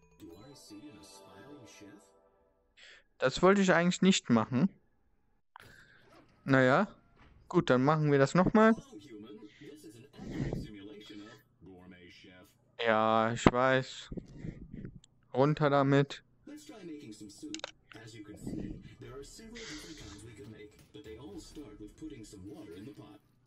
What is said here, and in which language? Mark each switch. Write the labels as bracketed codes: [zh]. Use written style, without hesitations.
[en] Do I see an aspiring chef? [de] Das wollte ich eigentlich nicht machen. Naja, gut, dann machen wir das nochmal. [en] Hello, human. This is an accurate simulation of gourmet chef. [de] Ja, ich weiß. Runter damit. [en] Let's try making some soup. As you can see, there are several different kinds we can make, but they all start with putting some water in the pot.